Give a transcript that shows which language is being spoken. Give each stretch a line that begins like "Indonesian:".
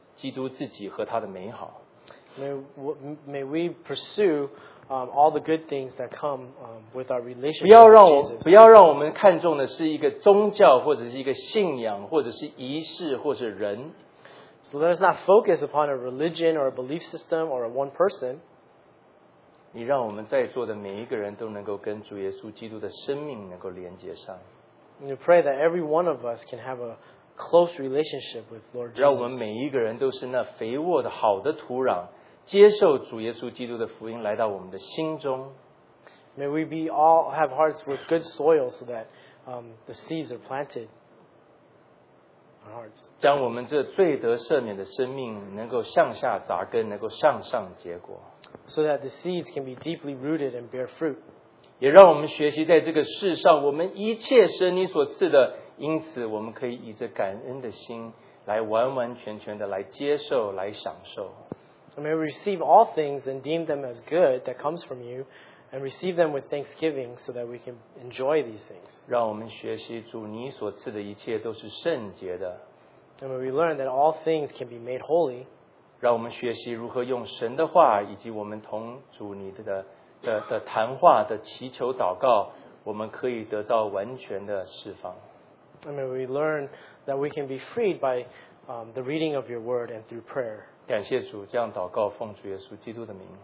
Chinese: 主你让我们所追求的是主耶稣基督自己和他的美好。
English: May we pursue all the good things that come with our relationship with Jesus. So let us not focus upon a religion or a belief system or a one person. You pray that every one of us can have a close relationship with Lord Jesus.
Chinese: 让我们每一个人都是那肥沃的好的土壤, 接受主耶稣基督的福音来到我们的心中。
English: May we be all have hearts with good soil so that the seeds are planted in our hearts.
Chinese: 将我们这罪得赦免的生命能够向下扎根, 能够向上结果。
English: So that the seeds can be deeply rooted and bear fruit.
Chinese: 也让我们学习在这个世上, 我们一切神你所赐的因此我们可以以这感恩的心来完完全全的来接受, 来享受。
English: May we receive all things and deem them as good that comes from you and receive them with thanksgiving so that we can enjoy these things.
Chinese: 让我们学习主你所赐的一切都是圣洁的。
English: And may we learn that all things can be made holy.
Chinese: 让我们学习如何用神的话以及我们同主你的谈话的祈求祷告, 我们可以得到完全的释放。
English: And may we learn that we can be freed by the reading of your word and through prayer.
Chinese: 感谢主, 这样祷告, 奉主耶稣基督的名。